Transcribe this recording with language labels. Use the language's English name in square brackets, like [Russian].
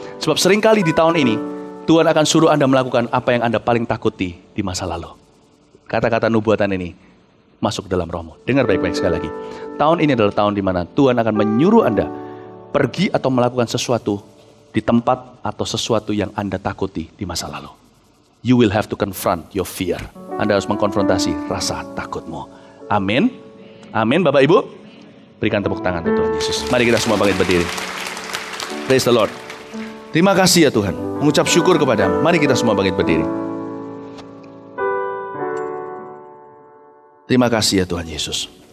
[Indonesian] Sebab seringkali di tahun ini, Tuhan akan suruh Anda melakukan apa yang Anda paling takuti di masa lalu. Kata-kata nubuatan ini masuk dalam rohmu. Dengar baik-baik sekali lagi. Tahun ini adalah tahun di mana Tuhan akan menyuruh Anda pergi atau melakukan sesuatu di tempat atau sesuatu yang Anda takuti di masa lalu. [English] You will have to confront your fear. [Indonesian] Anda harus mengkonfrontasi rasa takutmu. Amin. Amin Bapak Ibu. Berikan tepuk tangan untuk Tuhan Yesus. Mari kita semua bangkit berdiri. [English] Praise the Lord. [Indonesian] Terima kasih ya Tuhan. Mengucap syukur kepada-Mu. Mari kita semua bangkit berdiri. Terima kasih ya Tuhan Yesus.